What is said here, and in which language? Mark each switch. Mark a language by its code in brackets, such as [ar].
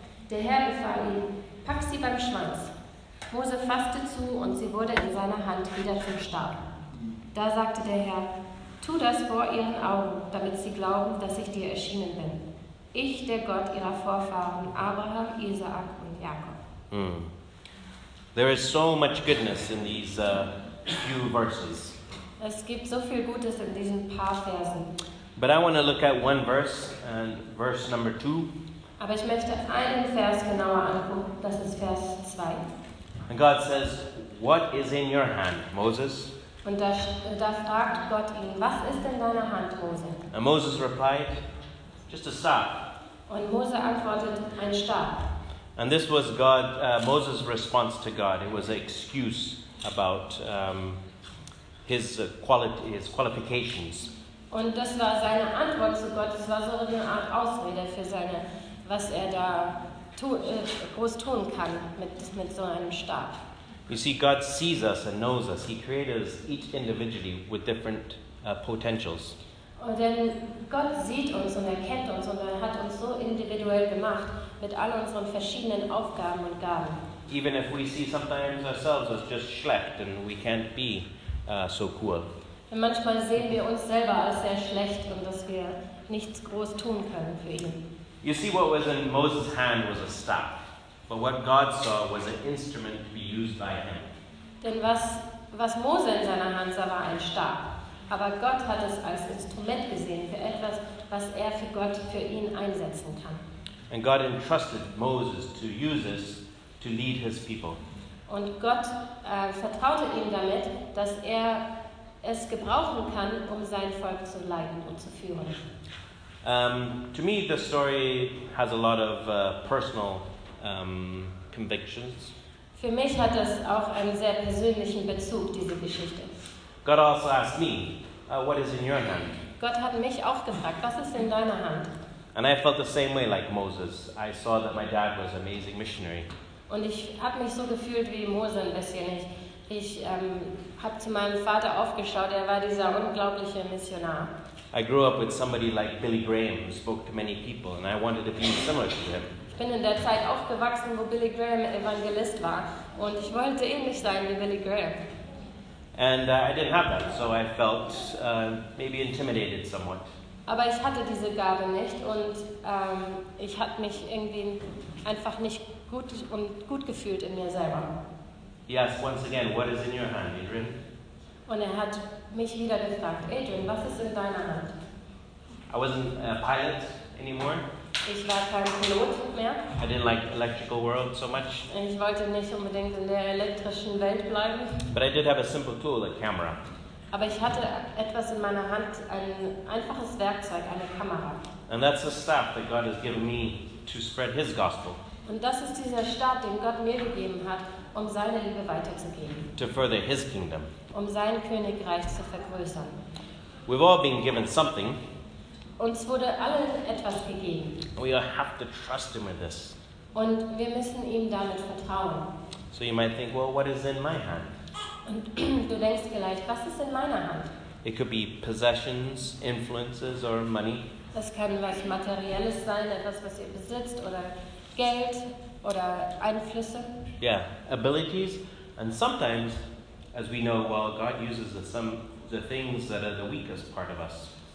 [de] Der Herr befahl ihm, pack sie beim Schwanz. Mose fasste zu und sie wurde in seiner Hand wieder zum Stab. Da sagte der Herr, tu das vor ihren Augen, damit sie glauben, dass ich dir erschienen bin. Ich, der Gott ihrer Vorfahren, Abraham, Isaak und Jakob. Hmm. [en] There is so much goodness in these few verses. [de] Es gibt so viel Gutes in diesen paar Versen. [en] But I want to look at one verse, and verse number 2. [de] Aber ich möchte einen Vers genauer angucken, das ist Vers 2. [en] And God says, what is in your hand, Moses? [de] Und da fragt Gott ihn, was ist in deiner Hand, Mose? [en] And Moses replied, just a staff. [de] Und Mose antwortet, ein Stab. [en] And this was Moses' response to God. It was an excuse about his qualifications. [de] Und das war seine Antwort zu Gott. Es war so eine Art Ausrede für seine, was er da groß tun kann mit so einem Stab. [en] You see, God sees us and knows us. He created us each individually with different potentials. [de] Und denn Gott sieht uns und er kennt uns und er hat uns so individuell gemacht mit all unseren verschiedenen Aufgaben und Gaben. [en] Even if we see sometimes ourselves as just schlecht and we can't be so cool. [de] Und manchmal sehen wir uns selber als sehr schlecht und dass wir nichts groß tun können für ihn. [en] You see, what was in Moses' hand was a staff, but what God saw was an instrument to be used by him. [de] Denn was Mose in seiner Hand sah, war ein Stab. Aber Gott hat es als Instrument gesehen für etwas, was er für Gott für ihn einsetzen kann. [en] And God entrusted Moses to use this to lead his people. [de] Und Gott vertraute ihm damit, dass er es gebrauchen kann, um sein Volk zu leiten und zu führen. [en] To me, the story has a lot of personal convictions. [de] Für mich hat das auch einen sehr persönlichen Bezug, diese Geschichte. [en] God also asked me, what is in your hand? [de] Gott hat mich auch gefragt, was ist in deiner Hand? [en] And I felt the same way like Moses. I saw that my dad was an amazing missionary. [de] Und ich habe mich so gefühlt wie Mose ein bisschen. Ich habe zu meinem Vater aufgeschaut, er war dieser unglaubliche Missionar. [en] I grew up with somebody like Billy Graham who spoke to many people and I wanted to be similar to him. [de] Ich bin in der Zeit aufgewachsen, wo Billy Graham Evangelist war und ich wollte ähnlich sein wie Billy Graham. [en] And I didn't have that, so I felt maybe intimidated somewhat. [de] Aber ich hatte diese Gabe nicht und ich habe mich irgendwie einfach nicht gut gefühlt in mir selber. [en] He asked once again, what is in your hand, Adrian? [de] Und hat mich wieder gefragt, Adrian, was ist in deiner Hand? [en] I wasn't a pilot anymore. [de] Ich war kein Pilot mehr. [en] I didn't like electrical world so much. [de] Ich wollte nicht unbedingt in der elektrischen Welt bleiben. [en] But I did have a simple tool, a camera. [de] Aber ich hatte etwas in meiner Hand, ein einfaches Werkzeug, eine Kamera. [en] And that's the staff that God has given me to spread his gospel. [de] Und das ist dieser Stab, den Gott mir gegeben hat, um seine Liebe weiterzugeben. [en] To further his kingdom. [de] Um sein Königreich zu vergrößern. [en] We've all been given something. [de] Uns wurde allen etwas gegeben. [en] We have to trust him with this. [de] Und wir müssen ihm damit vertrauen. [en] So you might think, well, what is in my hand? [de] Und du denkst vielleicht, was ist in meiner Hand? [en] It could be possessions, influences or money. [de] Das kann was Materielles sein, etwas, was ihr besitzt, oder Geld oder Einflüsse. [en] Yeah, abilities and sometimes, as we know, well, God uses the things that are the weakest part of us.